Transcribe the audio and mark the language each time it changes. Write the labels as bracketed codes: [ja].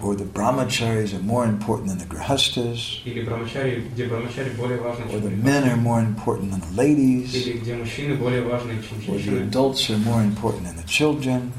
[en] Or the brahmacharis are more important than the grihasthas. [ru] Или брахмачари, где брахмачари более важны, чем. [en] Or the men are more important than the ladies. [ru] Или где мужчины более важны, чем женщины. [en] Or the adults are more important than the children.